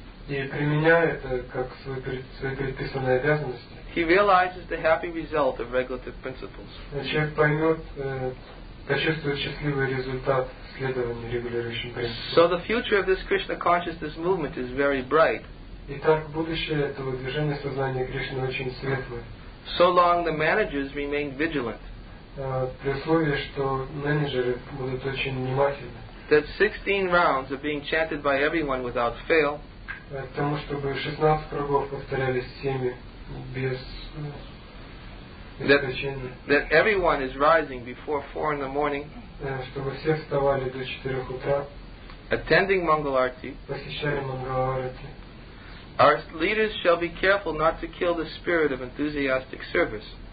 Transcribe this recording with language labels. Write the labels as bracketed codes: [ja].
[ru] И применяя это как свои предписанные обязанности. [en] He realizes the happy result of regulative principles. [ru] Человек поймет, почувствует счастливый результат следования регулирующим принципам. [en] So the future of this Krishna consciousness movement is very bright. [ru] Итак, будущее этого движения сознания Кришны очень светлое. [en] So long the managers remain vigilant. [ru] При условии, что менеджеры будут очень внимательны. [en] That 16 rounds are being chanted by everyone without fail. [ru] К тому, чтобы 16 кругов повторялись всеми без исключения. [en] That everyone is rising before 4 in the morning. [ru] Чтобы все вставали до 4 утра. [en] Attending Mangal Arati. [ru] Посещали Mangal Arati. [en] Our leaders shall be careful not to kill the spirit of enthusiastic service.